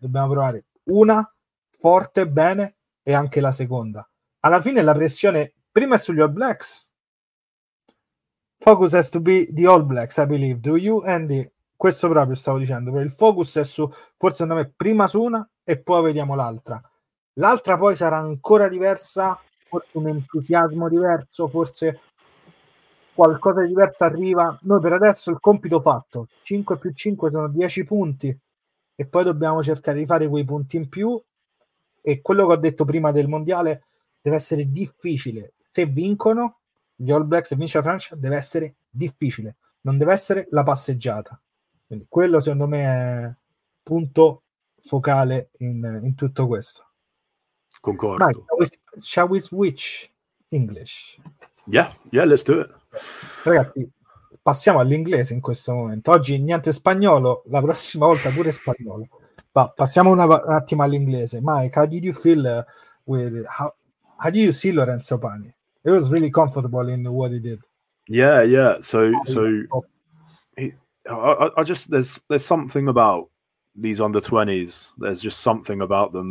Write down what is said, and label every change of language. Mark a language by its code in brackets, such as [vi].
[it] Dobbiamo provare una forte, bene, e anche la seconda. Alla fine la pressione prima è sugli All Blacks. [en] Focus has to be the All Blacks, I believe. Do you, Andy? [it] Questo proprio stavo dicendo. Il focus è su, forse andiamo prima su una e poi vediamo l'altra. L'altra poi sarà ancora diversa, forse un entusiasmo diverso, forse qualcosa di diverso arriva. Noi per adesso il compito fatto, 5 più 5 sono 10 punti, e poi dobbiamo cercare di fare quei punti in più. E quello che ho detto prima del mondiale, deve essere difficile. Se vincono gli All Blacks e vince la Francia, deve essere difficile, non deve essere la passeggiata. Quindi quello secondo me è punto focale in tutto questo. Concordo. Mike, [en] shall we switch English? Yeah, let's do it. [it] Ragazzi, passiamo all'inglese in questo momento. Oggi niente spagnolo, la prossima volta pure spagnolo. Ma passiamo un attimo all'inglese. [en] Mike, how did you feel how do you see Lorenzo Pani? It was really comfortable in what he did. Yeah. So there's something about these under 20s. There's just something about them.